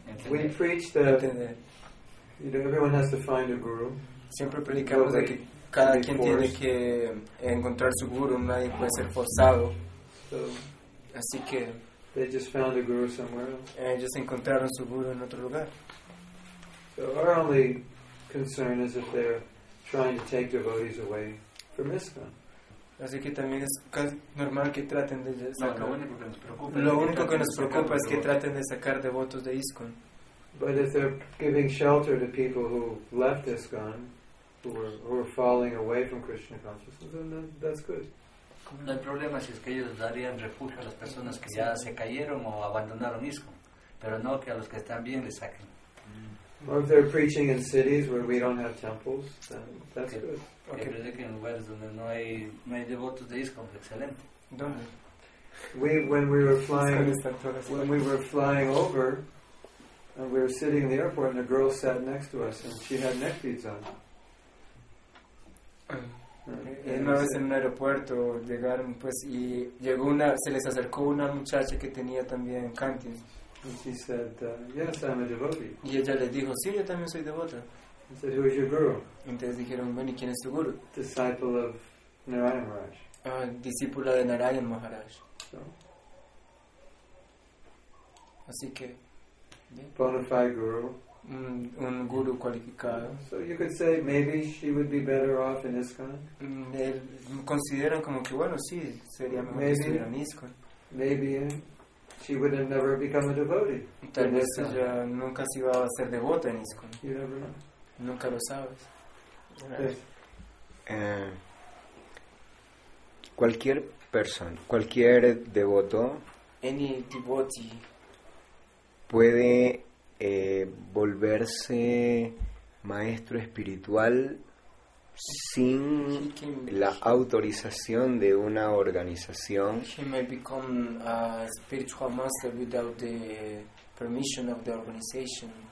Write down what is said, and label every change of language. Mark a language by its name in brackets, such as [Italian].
[English] we preach that, you know, everyone has to find a guru. [Spanish] Siempre predicamos de que cada quien tiene que encontrar su guru, nadie puede ser forzado. [English] So, [Spanish] así que [English] they just found a guru somewhere else. [Spanish] Ellos encontraron su guru en otro lugar. [English] So our only concern is if they're trying to take devotees away from ISKCON. [Spanish] Así que también es casi normal que traten de sacar. Lo único que nos preocupa, es que traten de sacar devotos de ISKCON. [English] But if they're giving shelter to people who left ISKCON, who are falling away from Krishna consciousness, then that's good. [Spanish] No hay problema si es que ellos darían refugio a las personas que ya se cayeron o abandonaron ISKCON, pero no que a los que están bien les saquen. [English] Or if they're preaching in cities where we don't have temples, then that's good. [Spanish] Que prediquen en lugares donde no hay devotos de ISKCON, excelente. [English] When we were flying over, and we were sitting in the airport, and a girl sat next to us, and she had neck beads on. [Spanish] Una vez en un aeropuerto llegaron, pues, y llegó una, se les acercó una muchacha que tenía también cantis. [English] And she said, yes, I'm a devotee. [Spanish] Y ella le dijo, sí, yo también soy devota. [English] He said, who is your guru? [Spanish] Entonces dijeron, bueno, ¿y quién es tu guru? [English] Disciple of Narayan Maharaj. [Spanish] Discípula de Narayan Maharaj. [English] So, [Spanish] así que, [English] yeah. Bona fide guru. [Spanish] Un guru cualificado. [English] So you could say maybe she would be better off in ISKCON. [Spanish] Consideran como que bueno, sí, sería mejor estar en ISKCON. [English] Maybe she would have never become a devotee. [Spanish] Tal vez ella nunca se iba a ser devota en ISKCON. [English] You never know. [Spanish] Nunca lo sabes. Cualquier persona, cualquier devoto. [English] Any devotee. [Spanish] Puede volverse maestro espiritual sin la autorización de una organización. [English] He may become a spiritual master without the permission of the organization.